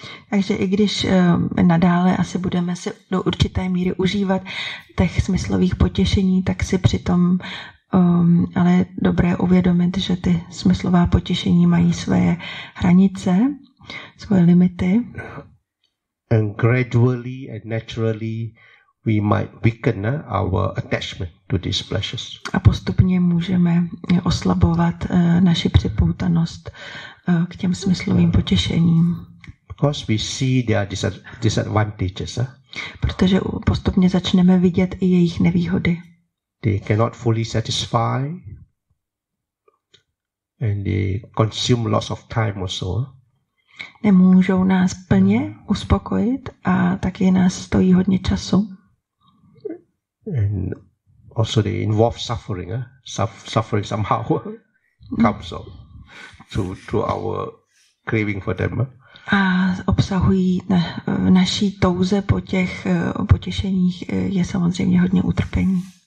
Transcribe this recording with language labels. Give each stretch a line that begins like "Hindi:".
Czech: Takže i když nadále asi budeme se do určité míry užívat těch smyslových potěšení, tak si přitom ale dobré uvědomit, že ty smyslová potěšení mají svoje hranice, svoje limity.
English: And gradually and naturally we might weaken our attachment to these pleasures.
Czech: A postupně můžeme oslabovat naši připoutanost k těm smyslovým potěšením.
English: Because we see their disadvantages.
Czech: Protože postupně začneme vidět i jejich nevýhody.
English: They cannot fully satisfy, and they consume lots of time also.
Czech: Nemůžou nás plně uspokojit a taky nás stojí hodně času.
English: And also they involve suffering. Suffering somehow comes up to our craving for them.
Czech: A obsahují v naší touze po těch potěšeních je samozřejmě hodně utrpení.